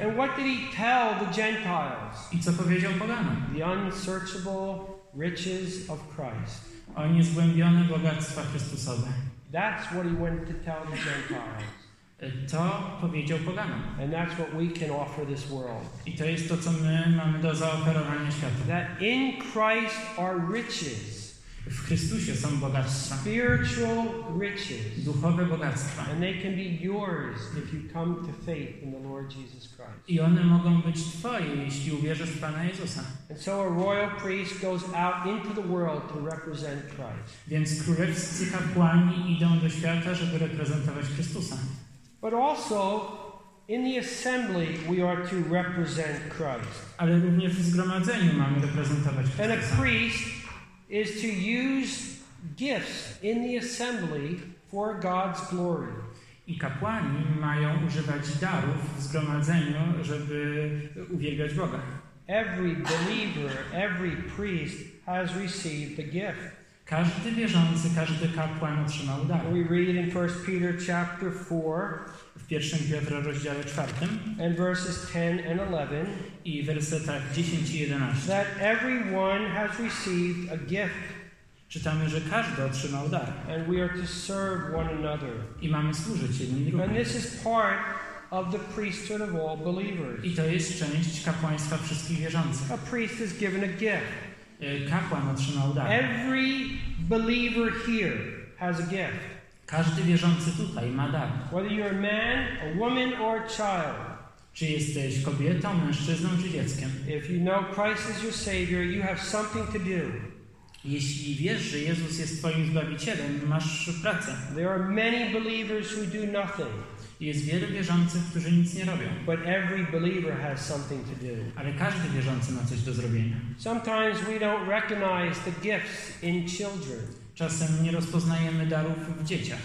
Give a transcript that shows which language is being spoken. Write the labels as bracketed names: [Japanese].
[English] And what did he tell the Gentiles? [Polish] I co powiedział poganom? [English] The unsearchable riches of Christ. [Polish] O niezgłębione bogactwa Chrystusowe. [English] That's what he went to tell the Gentiles. [Polish] To powiedział poganom. [English] And that's what we can offer this world. [Polish] I to jest to, co my mamy do zaoferowania światu. [English] That in Christ are riches. [Polish] W Chrystusie są bogactwa. [English] Spiritual riches. [Polish] Duchowe bogactwa. [English] And they can be yours if you come to faith in the Lord Jesus Christ. [Polish] I one mogą być twoje, jeśli uwierzysz w Pana Jezusa. [English] And so a royal priest goes out into the world to represent Christ. [Polish] Więc królewscy kapłani idą do świata, żeby reprezentować Chrystusa. [English] But also in the assembly we are to represent Christ. [Polish] Ale również w zgromadzeniu mamy reprezentować Chrystusa. [English] And a priest is to use gifts in the assembly for God's glory. [Polish] I kapłani mają używać darów w zgromadzeniu, żeby uwielbiać Boga. [English] Every believer, every priest has received a gift. [Polish] Każdy wierzący, każdy kapłan otrzymał dar. [English] We read in 1 Peter chapter 4, [Polish] w 1 Piotra rozdziale 4, [English] and verses 10 and 11, [Polish] i wersetach 10 i 11, [English] that everyone has received a gift. [Polish] Czytamy, że każdy otrzymał dar. [English] And we are to serve one another. [Polish] I mamy służyć jednym drugim. [English] And this is part of the priesthood of all believers. [Polish] I to jest część kapłaństwa wszystkich wierzących. [English] A priest is given a gift. [Polish] Kapłan otrzymał dar. [English] Every believer here has a gift. [Polish] Każdy wierzący tutaj ma dar. [English] Whether you're a man, a woman, or a child. [Polish] Czy jesteś kobietą, mężczyzną, czy dzieckiem. [English] If you know Christ as your Savior, you have something to do. [Polish] Jeśli wiesz, że Jezus jest twoim Zbawicielem, masz pracę. [English] There are many believers who do nothing. [Polish] Jest wielu wierzących, którzy nic nie robią. [English] But every believer has something to do. [Polish] Ale każdy wierzący ma coś do zrobienia. [English] Sometimes we don't recognize the gifts in children. [Polish] Czasem nie rozpoznajemy darów w dzieciach.